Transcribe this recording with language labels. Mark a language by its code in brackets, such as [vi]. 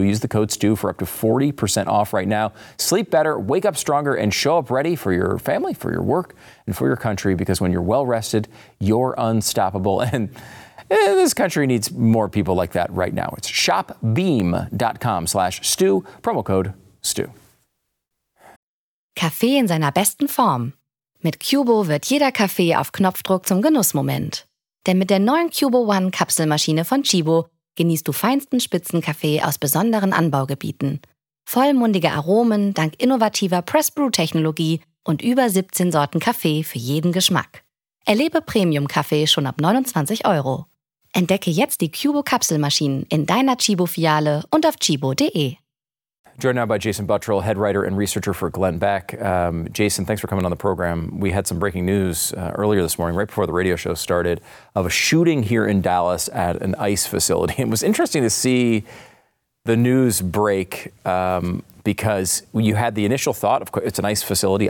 [en] Use the code stew for up to 40% off right now. Sleep better, wake up stronger, and show up ready for your family, for your work, and for your country, because when you're well-rested, you're unstoppable. And this country needs more people like that right now. It's shopbeam.com/stew, promo code stew. [de] Kaffee in seiner besten Form. Mit Cubo wird jeder Kaffee auf Knopfdruck zum Genussmoment. Denn mit der neuen Cubo One Kapselmaschine von Chibo genießt du feinsten Spitzenkaffee aus besonderen Anbaugebieten. Vollmundige Aromen dank innovativer Press-Brew-Technologie und über 17 Sorten Kaffee für jeden Geschmack. Erlebe Premium-Kaffee schon ab 29 Euro. Entdecke jetzt die Cubo-Kapselmaschinen in deiner Chibo-Filiale und auf chibo.de. [en] Joined now by Jason Buttrell, head writer and researcher for Glenn Beck. Jason, thanks for coming on the program. We had some breaking news earlier this morning, right before the radio show started, of a shooting here in Dallas at an ICE facility. It was interesting to see the news break, because you had the initial thought of it's a nice facility.